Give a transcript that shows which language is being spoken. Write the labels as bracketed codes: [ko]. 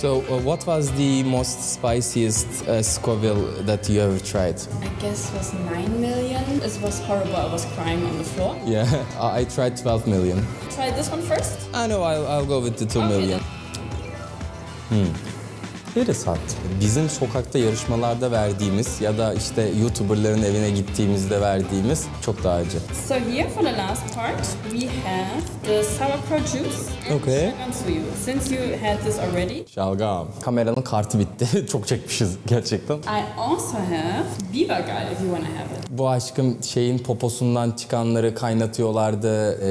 [en] So what was the most spiciest Scoville that you ever tried? I guess it was 9 million. It was horrible. I was crying on the floor. Yeah, I tried 12 million. Try this one first? No, I'll go with the 2 million. It is hot. [tr] Bizim sokakta yarışmalarda verdiğimiz ya da işte YouTuberların evine gittiğimizde verdiğimiz çok daha acı. [en] So here for the last part we have the sauerkraut juice and okay. [tr] Şalgam suyu. [en] Since you had this already. [tr] Şalgam. Kameranın kartı bitti. Çok çekmişiz gerçekten. [en] I also have biber gal if you wanna have it. [tr] Bu aşkım şeyin poposundan çıkanları kaynatıyorlardı.